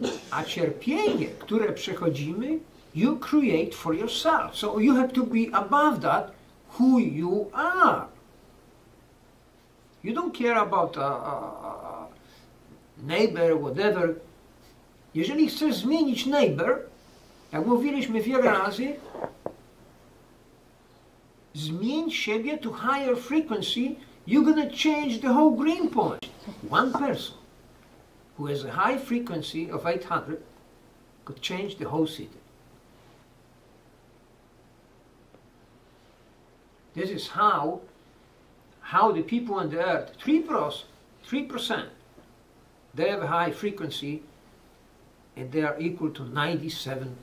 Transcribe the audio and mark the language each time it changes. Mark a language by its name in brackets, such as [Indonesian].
[Polish] A cierpienie, które przechodzimy, [English] you create for yourself. So you have to be above that, who you are. You don't care about a neighbor, whatever. [Polish] Jeżeli chcesz zmienić neighbor, jak mówiliśmy wiele razy, zmień siebie [English] to higher frequency, you're gonna change the whole green point. One person who has a high frequency of 800 could change the whole city. This is how the people on the earth, 3%, they have a high frequency and they are equal to 97%.